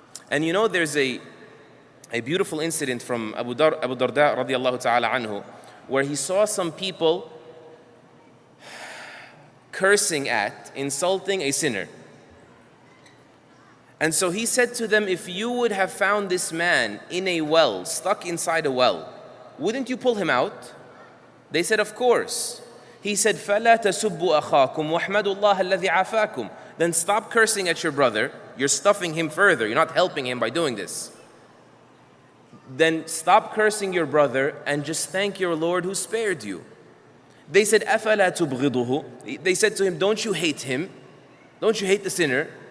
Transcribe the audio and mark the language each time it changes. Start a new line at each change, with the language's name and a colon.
English: And you know, there's a beautiful incident from Abu Darda radiallahu ta'ala anhu, where he saw some people cursing at, insulting a sinner. And so he said to them, if you would have found this man in a well, stuck inside a well, wouldn't you pull him out? They said, of course. He said,
Arabic: فَلَا تَسُبُّ أَخَاكُمْ وَاحْمَدُ اللَّهَ الَّذِي عَفَاكُمْ.
English: Then stop cursing at your brother. You're stuffing him further. You're not helping him by doing this. Then stop cursing your brother and just thank your Lord who spared you. They said,
Arabic: أَفَلَا تُبْغِضُهُ.
English: They said to him, don't you hate him? Don't you hate the sinner?